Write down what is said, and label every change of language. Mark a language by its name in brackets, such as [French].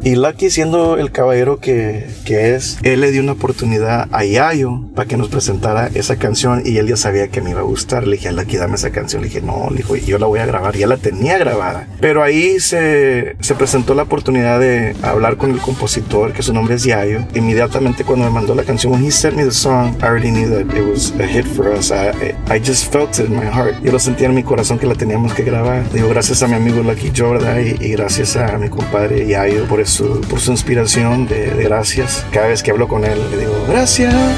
[Spanish] Y Lucky, siendo el caballero que es, él le dio una oportunidad a Yayo para que nos presentara esa canción. Y él ya sabía que me iba a gustar. Le dije, Lucky, dame esa canción. Le dije, no, le dijo, yo la voy a grabar. Ya la tenía grabada. Pero ahí se presentó la oportunidad de hablar con el compositor, que su nombre es Yayo. Inmediatamente cuando me mandó la canción, [English] when he sent me the song, I already knew that it was a hit for us. I just felt it in my heart. [Spanish] Yo lo sentía en mi corazón que la teníamos que grabar. Digo, gracias a mi amigo Lucky Joe, ¿verdad? Y gracias a mi compadre Yayo por su inspiración de gracias. Cada vez que hablo con él le digo gracias